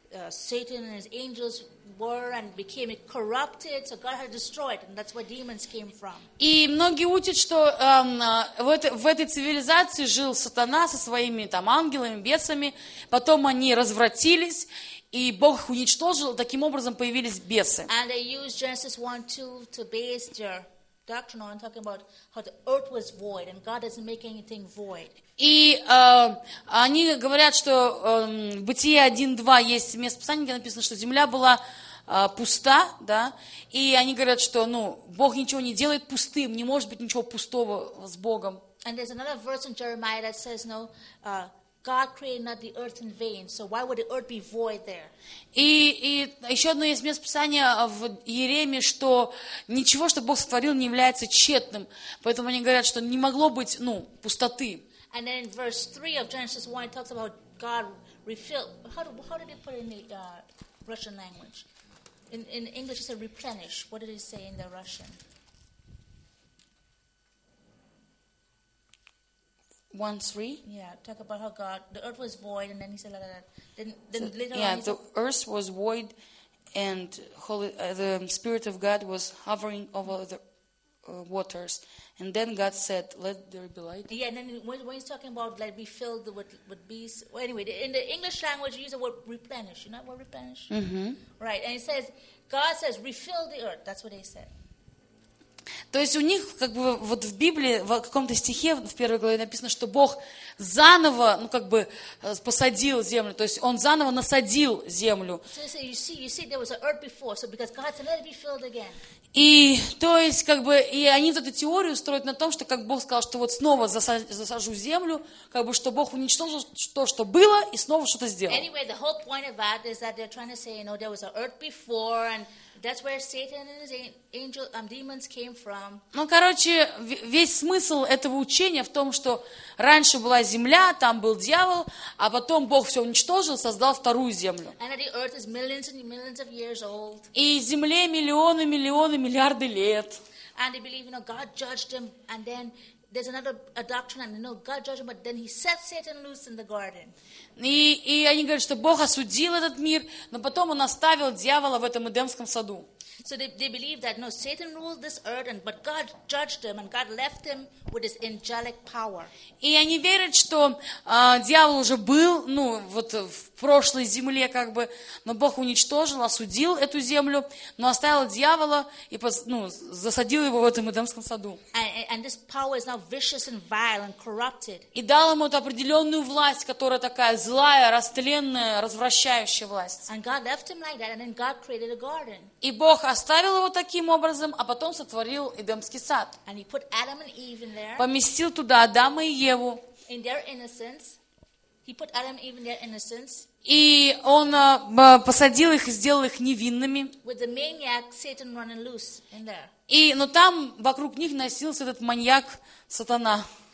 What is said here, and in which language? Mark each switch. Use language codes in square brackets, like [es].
[en] Satan and his angels were and became corrupted, so God had destroyed, and that's where demons came from. [ru] И многие учат, что в этой цивилизации жил сатана со своими там ангелами, бесами. Потом они развратились, и Бог их уничтожил. Таким образом появились бесы. [en] And they used Genesis 1:2 to base their doctrine on talking about how the earth was void and God doesn't make anything void. [ru] И они говорят, что в Бытие 1:2 есть место Писания, где написано, что земля была пуста, да, и они говорят, что, Бог ничего не делает пустым, не может быть ничего пустого с Богом. [en] And there's another verse in Jeremiah that says, God created not the earth in vain, so why would the earth be void there? [ru] И еще одно есть место Писания в Иеремии, что ничего, что Бог сотворил, не является тщетным, поэтому они говорят, что не могло быть, пустоты. [en] And then in verse 3 of Genesis 1, it talks about God refilled. How did he put it in the Russian language? In English, it said replenish. What did he say in the Russian? One, three? Yeah, talk about how God, the earth was void, and then he said like that. Then so, later on, the earth was void, and the Spirit of God was hovering over the waters. And then God said, let there be light. Yeah, and then when he's talking about let be filled with bees. Well, anyway, in the English language, you use the word replenish. You know what replenish? Mm-hmm. Right, and it says, God says, refill the earth. That's what they said. [ru] То есть у них, в Библии, в каком-то стихе, в первой главе написано, что Бог заново, посадил землю. То есть он заново насадил землю. [en] So you see, there was an earth before, so because God said, let it be filled again. [ru] И то есть, и они вот эту теорию строят на том, что как Бог сказал, что снова засажу землю, что Бог уничтожил то, что было, и снова что-то сделал. [en] Anyway, the whole point of that is that they're trying to say, there was an earth before, and that's where Satan and his angel, demons came from. [ru] Весь смысл этого учения в том, что раньше была земля, там был дьявол, а потом Бог все уничтожил, создал вторую землю. [en] And that the earth is millions and millions of years old. [ru] И земле миллионы, миллионы, миллиарды лет. [en] And they believe, God judged them, and then there's another doctrine, and God judged them, but then he set Satan loose in the garden. [ru] И они говорят, что Бог осудил этот мир, но потом он оставил дьявола в этом Эдемском саду. [en] So they believe that no, Satan ruled this earth, and but God judged him, and God left him with his angelic power. [ru] И они верят, что дьявол уже был, ну вот в прошлой земле как бы, но Бог уничтожил, осудил эту землю, но оставил дьявола и ну засадил его в этом Эдемском саду. [en] And this power is now vicious and vile and corrupted. [ru] И дал ему эту определенную власть, которая такая злая, растленная, развращающая власть. [en] And God left him like that, and then God created a garden. [ru] И Бог оставил его таким образом, а потом сотворил Эдемский сад. [en] And he put Adam and Eve in there. [ru] Поместил туда Адама и Еву. [en] In their innocence, he put Adam and Eve in their innocence. [ru] И он посадил их и сделал их невинными. [en] With the maniac Satan running loose in there. [ru] И, но там вокруг них носился этот маньяк Сатана.